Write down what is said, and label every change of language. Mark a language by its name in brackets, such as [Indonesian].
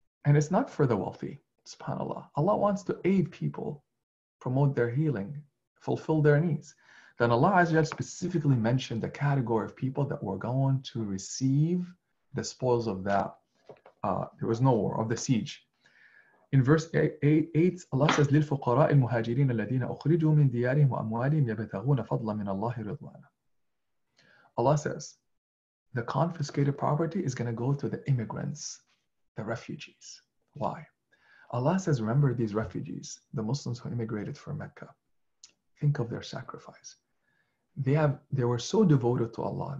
[English] And it's not for the wealthy, subhanAllah. Allah wants to aid people, promote their healing, fulfill their needs. Then Allah Azza wa Jalla specifically mentioned the category of people that were going to receive the spoils of that. There was no war, of the siege. In verse 8, Allah says, [Arabic] للفقراء المهاجرين الذين أخرجوا من ديارهم وأموالهم يبتغون فضلا من الله رضوانا. [English] Allah says, the confiscated property is going to go to the immigrants, the refugees. Why? Allah says, remember these refugees, the Muslims who immigrated from Mecca. Think of their sacrifice. They were so devoted to Allah.